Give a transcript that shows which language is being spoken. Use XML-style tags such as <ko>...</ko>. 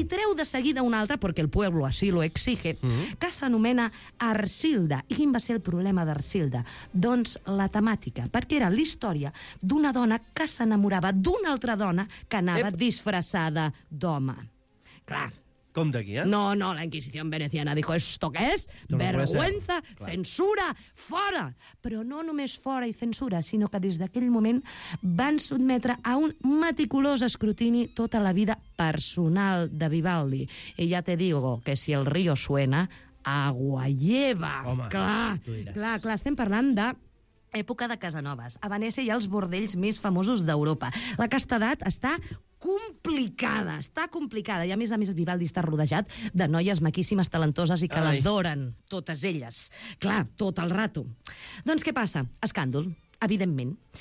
<ca>I treu de seguida un altre, perquè</ca> <es>el pueblo así lo exige,</es> <ca>que s'anomena Ercilda. I quin va ser el problema d'Ercilda? Doncs la temàtica, perquè era l'història d'una dona que s'enamorava d'una altra dona que anava disfressada d'home. Clar. Com d'aquí, eh?</ca> <es>No,</es> <ca>la Inquisició veneciana</ca> <es>dijo, ¿esto qué es? Vergüenza,</es> <ca>censura, fora! Però no només fora i censura, sinó que des d'aquell moment van sotmetre a un meticulós escrutini tota la vida personal de Vivaldi. I ja</ca> <es>te digo que si el río suena, agua lleva.</es> <ca>Home, clar, clar, estem parlant de època de Casanovas. A Venècia hi ha els bordells més famosos d'Europa. La castedat està complicada, està complicada. I a més, Vivaldi està rodejat de noies maquíssimes, talentoses i que l'adoren, totes elles. Clar, tot el rato. Doncs què passa? Escàndol, evidentment.</ca>